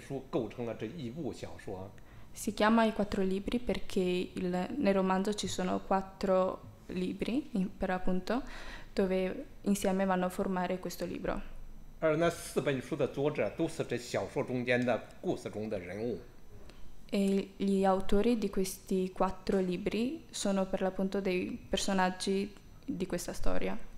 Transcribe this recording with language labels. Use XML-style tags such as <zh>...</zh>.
<zh>叫四书，是因为小说中间有四本书构成了这一部小说。</zh> <it>Si chiama I quattro libri perché nel romanzo ci sono quattro libri, per appunto, dove insieme vanno a formare questo libro.</it> <zh>而那四本书的作者都是这小说中间的故事中的人物。</zh> <it>E gli autori di questi quattro libri sono per l'appunto dei personaggi di questa storia.</it>